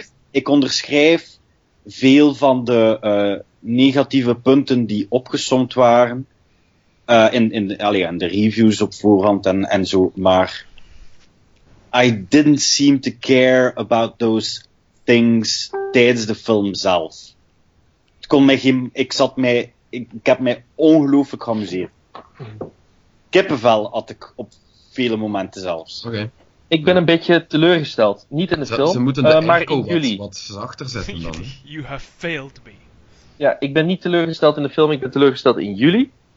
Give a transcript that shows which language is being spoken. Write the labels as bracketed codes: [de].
[nl] Ik onderschrijf veel van de negatieve punten die opgesomd waren. In de reviews op voorhand en zo. Maar [en] I didn't seem to care about those things [nl] tijdens de film zelf. Het kon mij geen... Ik heb mij ongelooflijk geamuseerd. Kippenvel had ik op vele momenten zelfs. Oké. Ik ben een beetje teleurgesteld. Niet in de film, ze moeten de airco wat zachter zetten dan. [en] You have failed me. [nl] Ja, ik ben niet teleurgesteld in de film, ik ben teleurgesteld in jullie.